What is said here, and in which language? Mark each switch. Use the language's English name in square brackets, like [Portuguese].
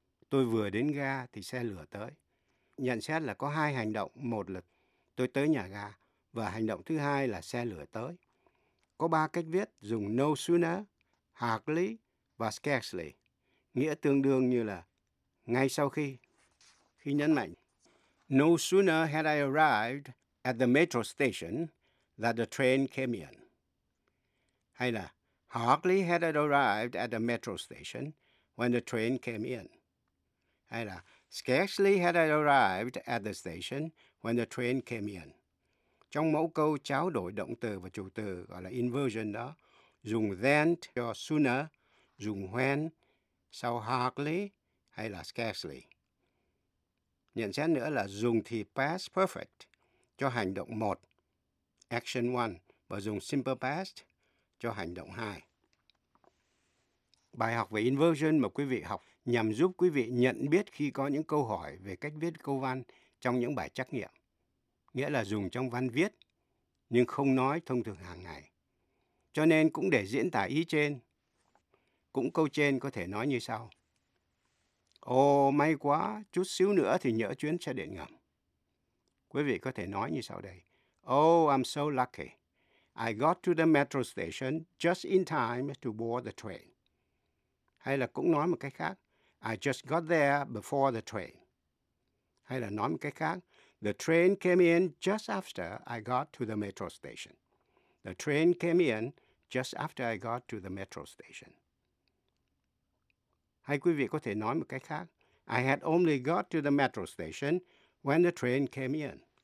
[Vietnamese] Tôi vừa đến ga thì xe lửa tới. Nhận xét là có hai hành động, một là tôi tới nhà ga và hành động thứ hai là xe lửa tới. Có ba cách viết dùng no sooner, hardly và scarcely, nghĩa tương đương như là ngay sau khi. Khi nhấn mạnh, [English] no sooner had I arrived at the metro station that the train came in. [Vietnamese] Hay là [English] hardly had I arrived at the metro station when the train came in. [Vietnamese] Hay là [English] scarcely had I arrived at the station when the train came in. [Vietnamese] Trong mẫu câu trao đổi động từ và chủ từ gọi là inversion đó, dùng then cho sooner, dùng when sau hardly hay là scarcely. Nhận xét nữa là dùng thì past perfect cho hành động 1, action 1, và dùng simple past cho hành động 2. Bài học về inversion mà quý vị học nhằm giúp quý vị nhận biết khi có những câu hỏi về cách viết câu văn trong những bài trắc nghiệm. Nghĩa là dùng trong văn viết, nhưng không nói thông thường hàng ngày. Cho nên cũng để diễn tả ý trên, cũng câu trên có thể nói như sau. Ồ, may quá, chút xíu nữa thì nhỡ chuyến xe điện ngầm. Quý vị có thể nói như sau đây. [English] Oh, I'm so lucky. I got to the metro station just in time to board the train. [Vietnamese] Hay là cũng nói một cách khác. [English] I just got there before the train. [Vietnamese] Hay là nói một cách khác. [English] The train came in just after I got to the metro station. The train came in just after I got to the metro station. [Vietnamese] Hay quý vị có thể nói một cách khác. [English] I had only got to the metro station when the train came in.